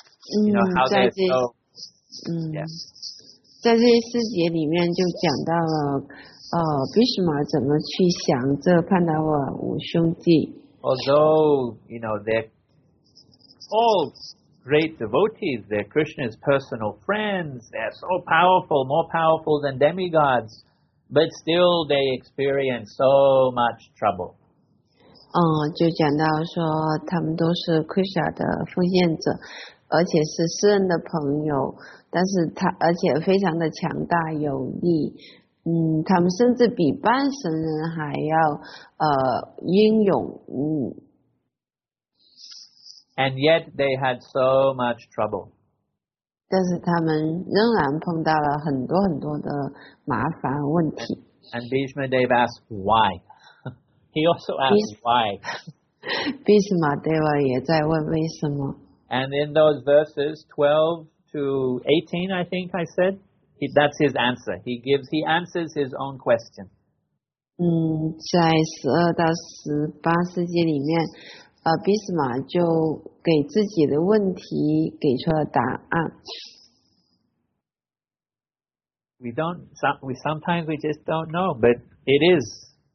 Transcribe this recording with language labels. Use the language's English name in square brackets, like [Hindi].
[English] Although, you know, they're all great devotees, they're Krishna's personal friends, they're so powerful, more powerful than demigods, but still they experience so much trouble. [Chinese] 就讲到说他们都是 Krishna 的奉献者，而且是私人的朋友，但是他而且非常的强大有力。他们甚至比半神人还要英勇。 [English] And yet they had so much trouble. [Chinese] 但是他们仍然碰到了很多很多的麻烦问题。 [English] And Bhishma Dev asked why. He also asked why. [Chinese] Bhishma Dev 也在问为什么。 [English] And in those verses 12 to 18, I think I said,that's his answer. He answers his own question. [Chinese] 在12到18世纪里面，毗湿麻就给自己的问题给出了答案。 [English] Sometimes we just don't know, but it is.